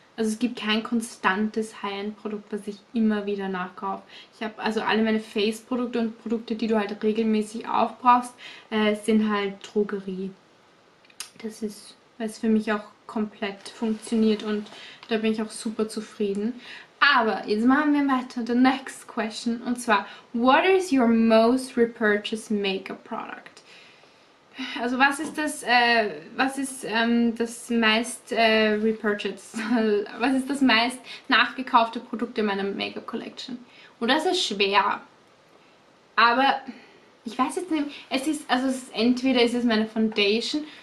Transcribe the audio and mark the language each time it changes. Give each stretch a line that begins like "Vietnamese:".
German: Also es gibt kein konstantes High-End-Produkt, was ich immer wieder nachkaufe. Ich habe also alle meine Face-Produkte und Produkte, die du halt regelmäßig aufbrauchst, sind halt Drogerie. Das ist, weil es für mich auch komplett funktioniert und da bin ich auch super zufrieden. Aber jetzt machen wir weiter,
English: the next question.
German: Und zwar,
English: what is your most repurchased makeup product?
German: Also was ist das, was ist das meist nachgekaufte Produkt in meiner Makeup Collection? Und das ist schwer. Aber ich weiß jetzt nicht, entweder ist es meine Foundation.